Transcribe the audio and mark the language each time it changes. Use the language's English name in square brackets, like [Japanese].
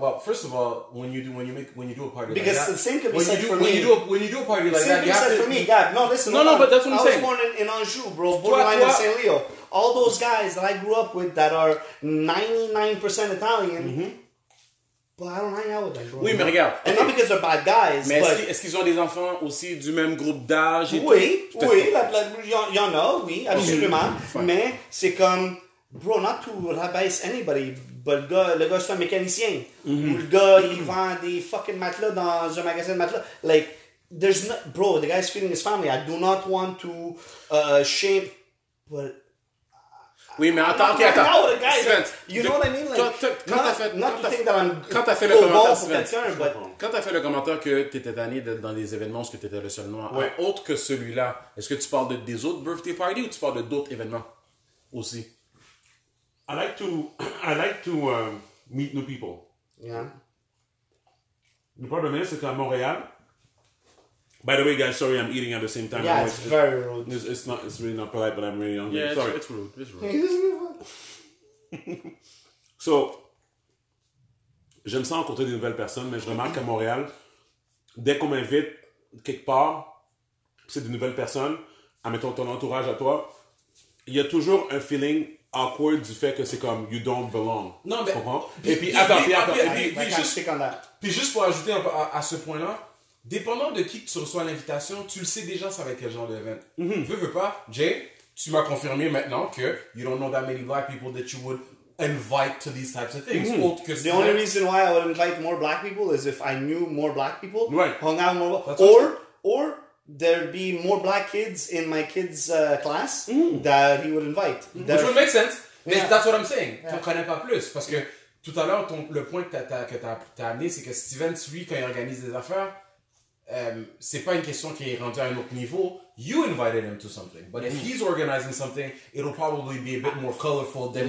[English] Well, first of all, when you do a party like that... Because the same could be said for when me. When you do a party like same same could be you said to, for me, God. No, listen. No, but that's what I'm saying. I was born in Anjou, bro. Born in St. Leo. All those guys that I grew up with that are 99% Italian... Mm-hmm. Well, I don't hang out with them, bro. [French] Oui, mais regarde. [English] And not because they're bad guys, [French] mais [English] but... [French] Mais est-ce qu'ils ont des enfants aussi du même groupe d'âge et oui, tout? Oui, oui, il y en a, oui, absolument. Oui. Mais c'est comme, bro, [English] not to rabaisse anybody, but [French] le gars, c'est un mécanicien. Mm-hmm. Ou le gars, mm-hmm. il vend des fucking matelas dans un magasin de matelas. [English] Like, there's no... Bro, the guy's feeding his family. I do not want to shame... But, [French] oui, mais attends, okay, attends. [English] Out guy, Sven, like, you know what I mean? Like, [French] quand t'as fait le commentaire, Sven, quand t'as fait le commentaire que t'étais tanné d'être dans des événements parce que t'étais le seul noir, ouais. Autre que celui-là, est-ce que tu parles des autres [English] birthday parties [French] ou tu parles d'autres événements aussi? [English] I like to meet new people. Yeah. Le problème est, c'est qu'à Montréal. By the way, guys, sorry, I'm eating at the same time. Yeah, it's very rude. It's really not polite, but I'm really hungry. Yeah, sorry. It's rude. [French] So, j'aime ça rencontrer des nouvelles personnes, mais je remarque qu'à Montréal, dès qu'on m'invite quelque part, c'est des nouvelles personnes, admettons ton entourage à toi, il y a toujours un [English] feeling awkward [French] du fait que c'est comme [English] you don't belong. [French] Non, mais... Tu comprends? Et puis, juste pour ajouter un peu à ce point-là, dépendant de qui tu reçois l'invitation, tu le sais déjà, ça va être quel genre d'événement. Mm-hmm. Veux pas, Jay, tu m'as confirmé maintenant que [English] you don't know that many black people that you would invite to these types of things. Mm-hmm. The only that... reason why I would invite more black people is if I knew more black people, right. Hung out more, or there'd be more black kids in my kid's class mm-hmm. that he would invite. Mm-hmm. Which would make sense. Yeah. That's what I'm saying. Yeah. [French] T'en connais pas plus, parce que tout à l'heure, le point que t'as amené, c'est que Steven, lui, quand il organise des affaires, c'est pas une question qui est rendue à un autre niveau. [English] You invited him to something. But if he's organizing something, it'll probably be a bit more colorful than